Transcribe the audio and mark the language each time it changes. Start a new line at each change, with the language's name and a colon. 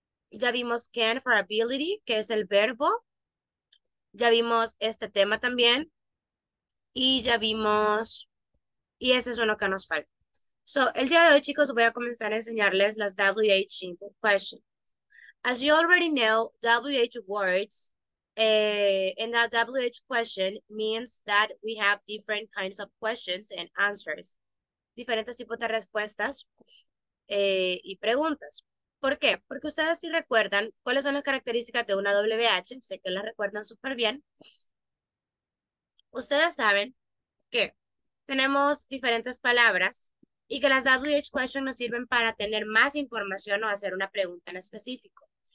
Spanish: Ya vimos Can for Ability, que es el verbo. Ya vimos este tema también. Y ya vimos. Y ese es uno que nos falta. So, el día de hoy, chicos, voy a comenzar a enseñarles las WH Simple Questions.
English: As you already know, WH words and that WH question means that we have different kinds of questions and answers.
Spanish: Diferentes tipos de respuestas y preguntas. ¿Por qué? Porque ustedes sí recuerdan cuáles son las características de una WH. Sé que las recuerdan súper bien. Ustedes saben que tenemos diferentes palabras y que las WH questions nos sirven para tener más información o hacer una pregunta en específico.